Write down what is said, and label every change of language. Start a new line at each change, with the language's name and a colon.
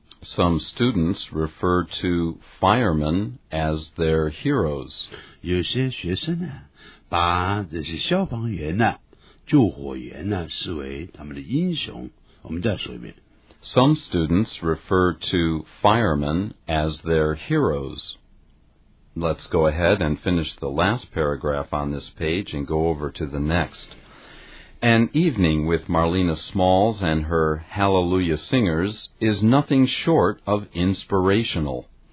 English: Some students refer to firemen as their heroes。
Chinese: 有些学生呢，把这些消防员呢、救火员呢，视为他们的英雄。我们再说一遍。
English: Some students refer to firemen as their heroes。 Let's go ahead and finish the last paragraph on this page and go over to the next. An evening with Marlena Smalls and her Hallelujah Singers is nothing short of inspirational.